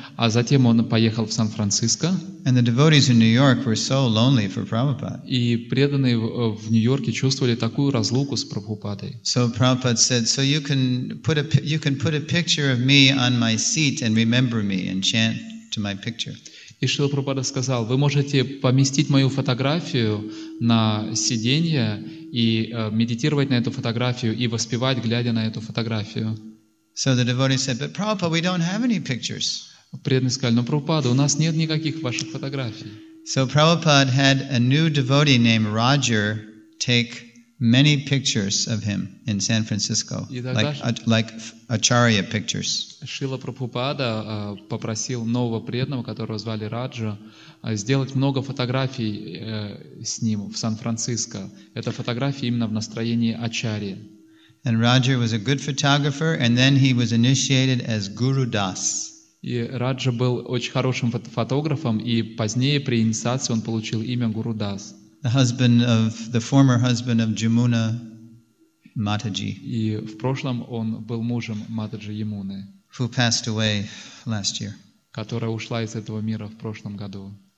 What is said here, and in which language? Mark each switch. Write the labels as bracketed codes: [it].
[ru] А затем он поехал в Сан-Франциско. [en] And the devotees in New York were so lonely for Prabhupada. [ru] И преданные в Нью-Йорке чувствовали такую разлуку с Прабхупадой. [en] So Prabhupada said, so you can put a picture of me on my seat and remember me and chant to my picture. [ru] И Шрила Прабхупада сказал, вы можете поместить мою фотографию на сиденье и медитировать на эту фотографию и воспевать, глядя на эту фотографию. [en] So the devotee said, but Prabhupada, we don't have any pictures. [ru] Преданные сказали, но Прабхупада, у нас нет никаких ваших фотографий. [en] So Prabhupada had a new devotee named Roger take many pictures of him in San Francisco, like Acharya pictures. [ru] Шрила Прабхупада попросил нового преданного, которого звали Раджа, сделать много фотографий с ним в Сан-Франциско. Это фотографии именно в настроении Ачарьи. [en] And Roger was a good photographer, and then he was initiated as Guru Das. [ru] И Раджа был очень хорошим фотографом, и позднее при инициации он получил имя Гуру Дас. [en] The husband of the former husband of Jamuna Mataji. [ru] И в прошлом он был мужем Матаджи Ямуны. [en] Who passed away last year. [ru] Которая ушла из этого мира в прошлом году.